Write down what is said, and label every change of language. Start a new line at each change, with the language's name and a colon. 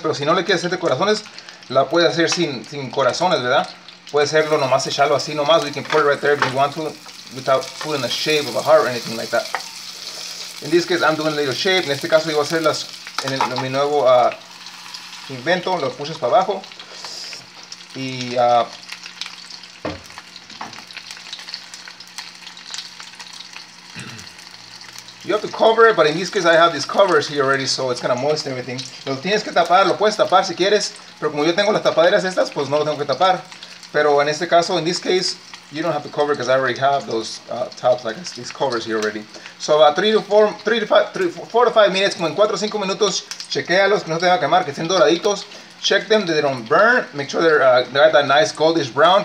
Spanish: Pero si no le quieres hacer de corazones, la puedes hacer sin corazones, ¿verdad? Puedes hacerlo nomás, echarlo así nomás.
English: You can put it right there if you want to. Without putting a shape of a heart or anything like that. In this case, I'm doing a little shape.
Spanish: En este caso, yo voy a hacer mi nuevo invento. Lo puse para abajo. Y...
English: you have to cover it, but in this case I have these covers here already, so it's gonna moist everything.
Spanish: Lo tienes que tapar, lo puedes tapar si quieres, pero como yo tengo las tapaderas estas, pues no lo tengo que tapar. Pero en este caso,
English: in this case, you don't have to cover because I already have those tops, like these covers here already. So about 4 to 5 minutes,
Spanish: como en 4 o 5 minutos, chequealos, que no te va a quemar, que estén doraditos.
English: Check them that they don't burn. Make sure they got that nice goldish brown.